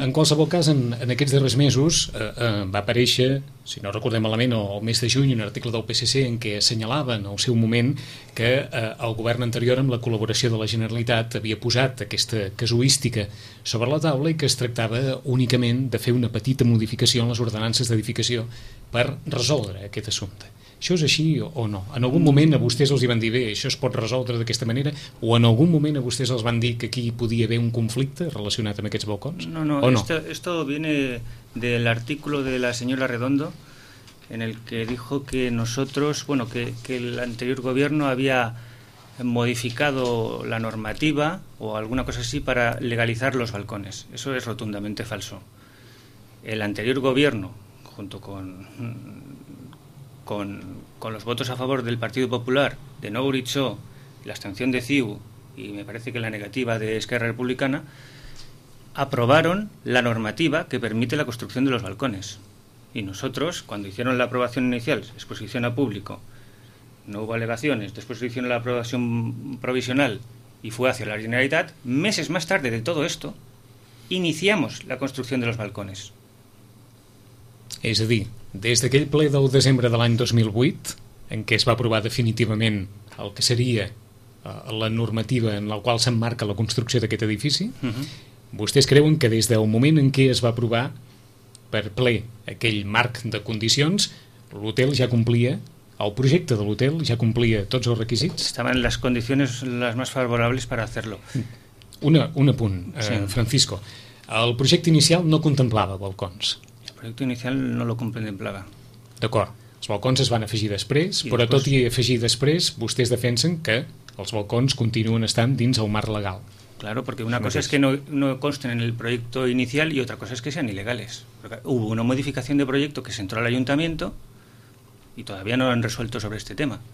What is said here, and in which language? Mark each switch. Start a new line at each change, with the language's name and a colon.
Catalan: En qualsevol cas, en aquests darrers mesos va aparèixer, si no recordem malament, el mes de juny, un article del PSC en què assenyalava en el seu moment que el govern anterior, amb la col·laboració de la Generalitat, havia posat aquesta casuística sobre la taula i que es tractava únicament de fer una petita modificació en les ordenances d'edificació per resoldre aquest assumpte. Això és així o no? En algun moment a vostès els van dir, bé, això es pot resoldre d'aquesta manera, o en algun moment a vostès els van dir que aquí podia haver un conflicte relacionat amb aquests balcons?
Spanish: No, esto viene del artículo de la señora Redondo, en el que dijo que nosotros, bueno, que el anterior gobierno había modificado la normativa o alguna cosa así para legalizar los balcones. Eso es rotundamente falso. El anterior gobierno, junto con los votos a favor del Partido Popular, de Nou Horitzó, la abstención de CiU y me parece que la negativa de Esquerra Republicana, aprobaron la normativa que permite la construcción de los balcones. Y nosotros, cuando hicieron la aprobación inicial, exposición a público, no hubo alegaciones, después hicieron la aprobación provisional y fue hacia la Generalitat, meses más tarde de todo esto, iniciamos la construcción de los balcones. Es decir,
Catalan: des d'aquell ple del desembre de l'any 2008, en què es va aprovar definitivament el que seria la normativa en la qual s'emmarca la construcció d'aquest edifici, uh-huh. Vostès creuen que des del moment en què es va aprovar per ple aquell marc de condicions, l'hotel ja complia, el projecte de l'hotel ja complia tots els requisits? Estaven les condicions les més favorables per a fer-lo. Un apunt, sí. Francisco. El projecte inicial no contemplava balcons. El projecte inicial no lo contemplava. D'acord, els balcons es van afegir després, tot i afegir després, vostès defensen que els balcons continuen estant dins el marc legal.
Spanish: Claro, porque una cosa es que no consten en el proyecto inicial y otra cosa es que sean ilegales. Porque hubo una modificación de proyecto que se entró al ayuntamiento y todavía no lo han resuelto sobre este tema.